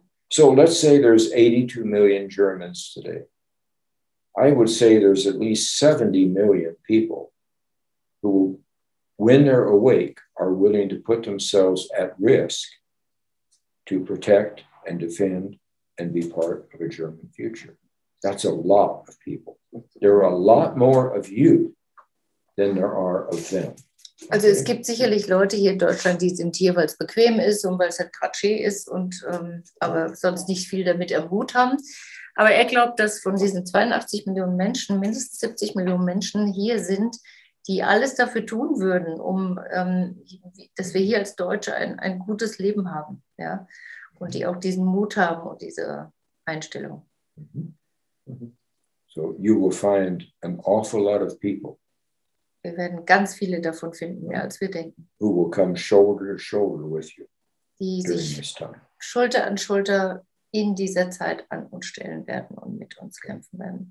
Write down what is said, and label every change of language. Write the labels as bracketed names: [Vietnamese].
[English] So let's say there's 82 million Germans today. I would say there's at least 70 million people who, when they're awake, are willing to put themselves at risk to protect and defend and be part of a German future. That's a lot of people. There are a lot more of you than there are of them. [German] Also es gibt sicherlich Leute hier in Deutschland, die sind hier, weil es bequem ist und weil es halt Katschi ist und aber sonst nicht viel damit am Hut haben. Aber er glaubt, dass von diesen 82 Millionen Menschen mindestens 70 Millionen Menschen hier sind, die alles dafür tun würden, um dass wir hier als Deutsche ein gutes Leben haben, ja, und die auch diesen Mut haben und diese Einstellung. [English] So you will find an awful lot of people. [German] Wir werden ganz viele davon finden, mehr als wir denken. [English] Who will come shoulder to shoulder with you. [German] die sich Schulter an Schulter in dieser Zeit an uns stellen werden und mit uns kämpfen werden.